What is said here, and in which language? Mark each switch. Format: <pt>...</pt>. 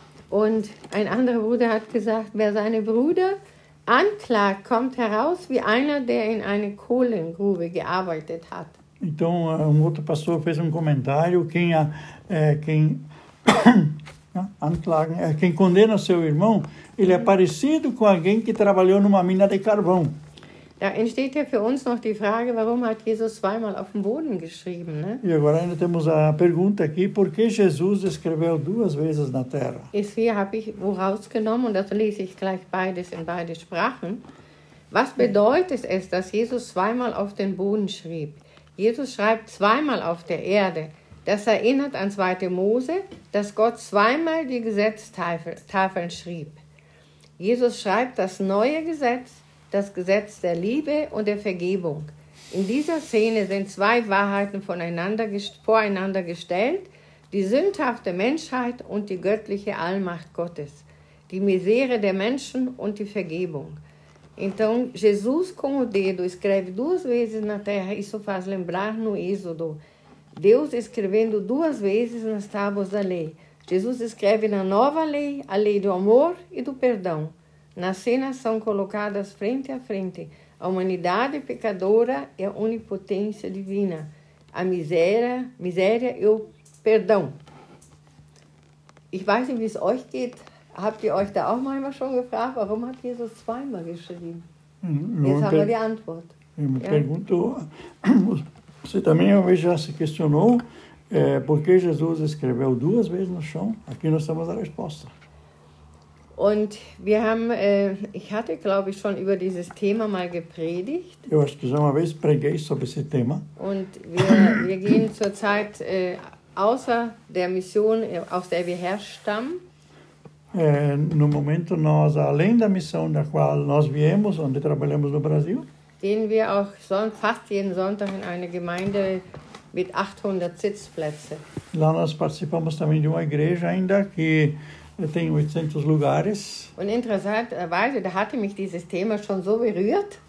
<de>Und ein anderer Bruder hat gesagt, wer seine Brüder anklagt, kommt heraus wie einer, der in eine Kohlengrube gearbeitet hat.</de> <pt>Então, um outro pastor fez comentário, quem condena seu irmão, ele é parecido com alguém que trabalhou numa mina de carvão.</pt> <de>Da entsteht ja für uns noch die Frage, warum hat Jesus zweimal auf dem Boden geschrieben, ne?</de> <pt>E agora ainda temos a pergunta aqui, por que Jesus escreveu duas vezes na terra? Isso</pt> <de>hier habe ich wo rausgenommen und das lese ich gleich beides in beide Sprachen. Was bedeutet es, dass Jesus zweimal auf den Boden schrieb? Jesus schreibt zweimal auf der Erde. Das erinnert an 2. Mose, dass Gott zweimal die Gesetztafeln schrieb. Jesus schreibt das neue Gesetz, das Gesetz der Liebe und der Vergebung. In dieser Szene sind zwei Wahrheiten voreinander gestellt, die sündhafte Menschheit und die göttliche Allmacht Gottes, die Misere der Menschen und die Vergebung.</de> <pt>Então, Jesus com o dedo escreve duas vezes na terra, isso faz lembrar no Êxodo. Deus escrevendo duas vezes nas tábuas da lei. Jesus escreve na nova lei, a lei do amor e do perdão. Nas cenas são colocadas frente a frente a humanidade pecadora e a onipotência divina, a miséria e o perdão.</pt> <de>Ich weiß nicht, wie es euch geht. Habt ihr euch da auch manchmal schon gefragt, warum hat Jesus zweimal geschrieben? Jetzt haben wir die Antwort.</de> <pt>Pergunto, você também uma vez já se questionou por que Jesus escreveu duas vezes no chão? Aqui nós temos a resposta.</pt> <de>Und wir haben, ich hatte, glaube ich, schon über dieses Thema mal gepredigt.</de> <pt>Eu acho que já uma vez preguei sobre esse tema.</pt> <de>Und wir gehen zurzeit außer der Mission, aus der wir herstammen.</de> <pt>No momento nós, além da missão da qual nós viemos, onde trabalhamos no Brasil,</pt> <de>gehen wir auch fast jeden Sonntag in eine Gemeinde mit 800 Sitzplätzen.</de> <pt>Lá nós participamos também de uma igreja ainda que tem 800 lugares.</pt> <de>Und interessanterweise, da hatte mich dieses Thema schon so berührt.</de>